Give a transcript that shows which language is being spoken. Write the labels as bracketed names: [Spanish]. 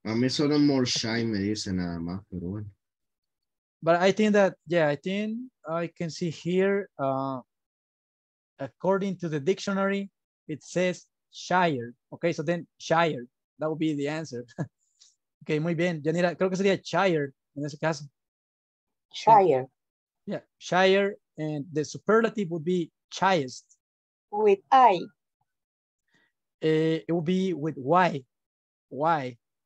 [Spanish] A mí solo more shy me dice nada más, pero bueno. [English] But I think that, yeah, I think I can see here, according to the dictionary, it says shyer. Okay, so then shyer, that would be the answer. [Spanish] Ok, muy bien. Yanira, creo que sería shire en ese caso. [English] Shire. Yeah, shire. And the superlative would be shyest. With I. It would be with Y. Y.